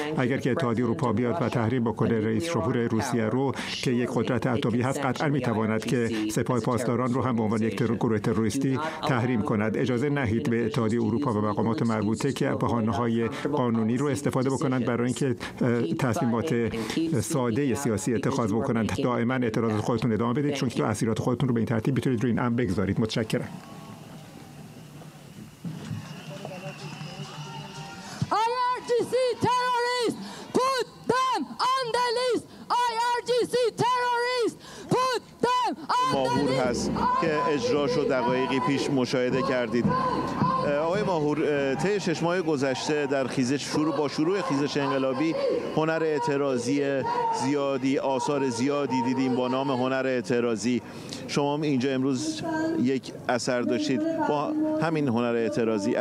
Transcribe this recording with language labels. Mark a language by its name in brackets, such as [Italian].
[Persian] اگر که اتحادیه اروپا بیاد و تحریم بکنه رئیس جمهور روسیه رو که یک قدرت اتمی هست، قطعا میتواند که سپاه پاسداران رو هم به عنوان یک گروه تروریستی تحریم کند. اجازه نهید به اتحادیه اروپا و مقامات مربوطه که بهانه های قانونی رو استفاده بکنند برای اینکه تصمیمات ساده سیاسی اتخاذ بکنند. دائما اعتراض خودتون ادامه بدید، چون که اسیرات خودتون رو به این ترتیب میتونید روی این امر بگذارید. متشکرم. [English] IRGC terrorists, put them on the list. IRGC terrorists, put them on the [Persian] ماهور [English] list. [Persian] هست که اجراشو دقایقی پیش مشاهده کردید. آقای ماهور، طی 6 ماه گذشته در خیزش شروع با شروع خیزش انقلابی هنر اعتراضی زیادی، آثار زیادی دیدیم با نام هنر اعتراضی. شما هم اینجا امروز یک اثر داشتید با همین هنر اعتراضی.